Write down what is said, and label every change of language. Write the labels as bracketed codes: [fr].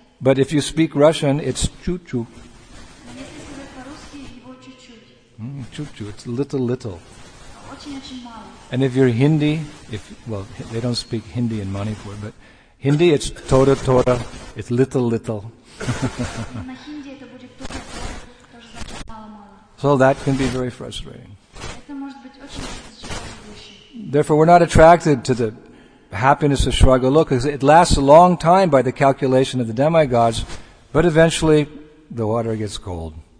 [en] But if you speak Russian, it's чу-чу. [ru] Если говорить по-русски, его чуть-чуть. [en] Чу-чу, it's little-little. [ru] Очень-очень мало. [en] And if you're Hindi, they don't speak Hindi in Manipur, but Hindi, it's тора-тора, it's little-little. [ru] На хинди это будет тора-тора, тоже значит мало-мало. [en] So that can be very frustrating. [ru] Это может быть очень разочаровывающе. [en] Therefore, we're not attracted to the happiness of Swargaloka, because it lasts a long time by the calculation of the demigods, but eventually the water gets cold.